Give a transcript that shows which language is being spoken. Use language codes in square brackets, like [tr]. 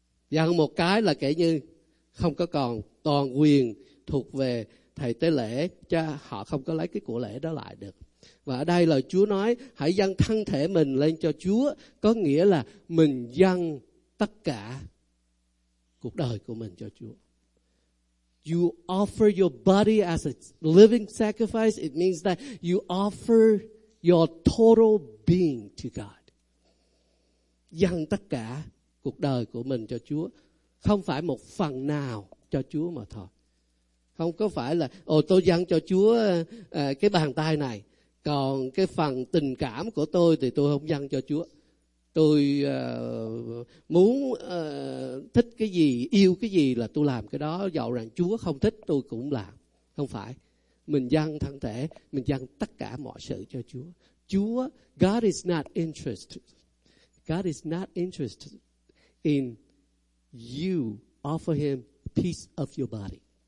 [vi] Dâng một cái là kể như không có còn toàn quyền thuộc về thầy tế lễ, cho họ không có lấy cái của lễ đó lại được. Và ở đây là Chúa nói hãy dâng thân thể mình lên cho Chúa, có nghĩa là mình dâng tất cả cuộc đời của mình cho Chúa. [en] You offer your body as a living sacrifice. It means that you offer your total being to God. [vi] Dâng tất cả cuộc đời của mình cho Chúa, không phải một phần nào cho Chúa mà thôi. Không có phải là ồ tôi dâng cho Chúa cái bàn tay này, còn cái phần tình cảm của tôi thì tôi không dâng cho Chúa. Tôi muốn thích cái gì, yêu cái gì là tôi làm cái đó, dầu rằng Chúa không thích tôi cũng làm. Không phải. Mình dâng thân thể, mình dâng tất cả mọi sự cho Chúa. [en] Chúa, God is not interested. God is not interested in you offer him a piece of your body.